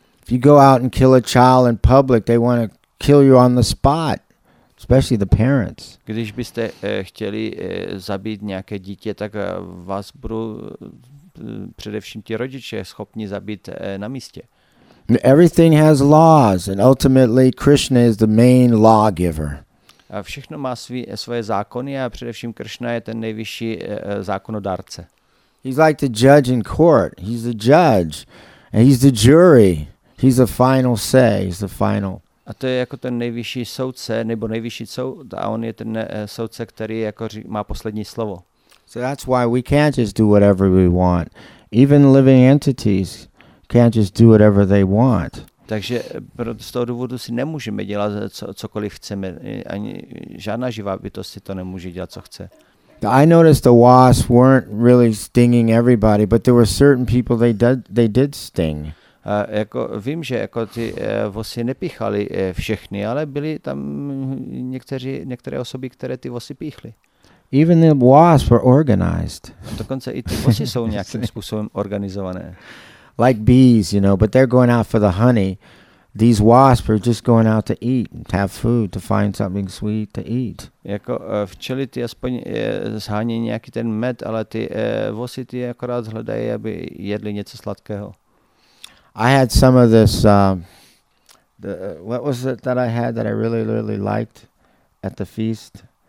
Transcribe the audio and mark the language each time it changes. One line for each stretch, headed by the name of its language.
English: If you go out and kill a child in public, they want to kill you on the spot, especially the parents.
Czech: Když byste chtěli zabít nějaké dítě, tak vás budou především ti rodiče schopni zabít na místě.
English: Everything has laws, and ultimately Krishna is the main lawgiver.
Czech: A všechno má svoje zákony a především Krishna je ten nejvyšší zákonodárce.
English: He's like the judge in court. He's the judge. And he's the jury. He's the final say. He's the final.
Czech: A to je jako ten nejvyšší soudce nebo nejvyšší soud a on je ten soudce, který jako má poslední slovo.
English: So that's why we can't just do whatever we want. Even living entities can't just do whatever they want.
Czech: Takže z toho důvodu si nemůžeme dělat cokoliv chceme. Ani žádná živá bytost si to nemůže dělat, co chce.
English: I noticed the wasps weren't really stinging everybody, but there were certain people they did sting.
Czech: Jako vím, že jako ty vosy nepíchaly všechny, ale byly tam některé osoby, které ty vosy píchly.
English: Even the wasps were organized.
Czech: Dokonce i ty vosy jsou nějakým způsobem organizované.
English: Like bees, you know, but they're going out for the honey. These wasps are just going out to eat, to have food, to find something sweet to eat.
Czech: Jako včely ty aspoň zhání nějaký ten med, ale ty vosy ty akorát hledají, aby jedli něco sladkého.
English: I had some of this, what was it that I had that I really, really liked at the feast?